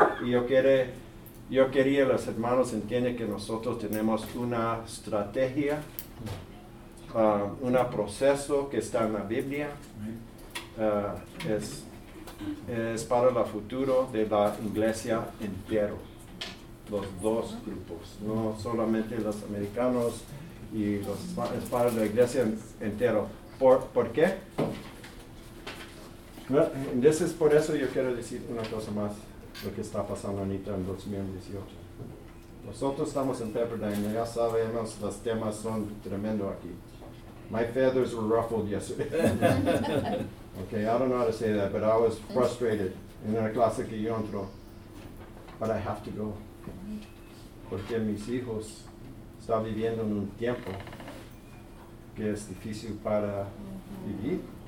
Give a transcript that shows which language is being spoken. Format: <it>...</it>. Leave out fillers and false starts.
<es>Y yo quería que los hermanos entiendan que nosotros tenemos una estrategia, un proceso que está en la Biblia, es para el futuro de la iglesia entero, los dos grupos, no solamente los americanos, y es para la iglesia entero. ¿Por qué? Well, es por eso yo quiero decir una cosa más, lo que está pasando ahorita en 2018. Nosotros estamos en Pepperdine, ya sabemos, los temas son tremendo aquí.</es> <en>My feathers were ruffled yesterday. Okay, I don't know how to say that, but I was frustrated. In a</en> <es>clase que yo entro,</es> <en>but I have to go.</en> <es>Porque mis hijos están viviendo en un tiempo que es difícil para vivir.</es>